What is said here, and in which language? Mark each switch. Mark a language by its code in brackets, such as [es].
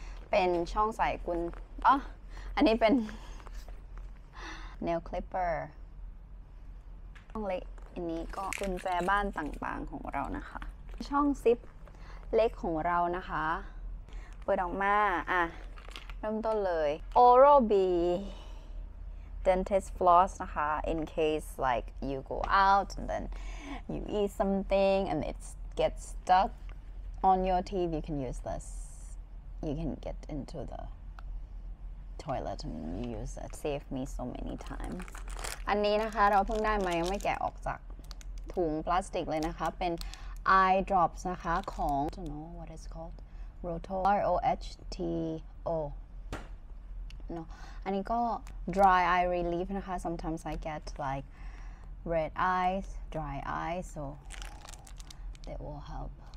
[th] เป็นช่องใส่กุญแจอ๋ออันนี้เป็น Nail Clipper ช่องเล็กอันนี้ก็กุญแจบ้านต่างๆของเรานะคะช่องซิปเล็กของเรานะคะเปิดออกมาอ่ะเริ่มต้นเลย Oral-B Dentist Floss นะคะ [en] in case like you go out and thenYou eat something and it gets stuck on your teeth, you can use this. You can get into the toilet and use it. Saved me so many times. [th] อันนี้นะคะเราเพิ่งได้มายังไม่แกะออกจากถุงพลาสติกเลยนะคะเป็น eye drops นะคะของ [en] I don't know what it's called. Roto. R-O-H-T-O. No. [th] อันนี้ก็ [en] dry eye relief นะคะ Sometimes I get like. Red eyes, dry eyes, so that will help.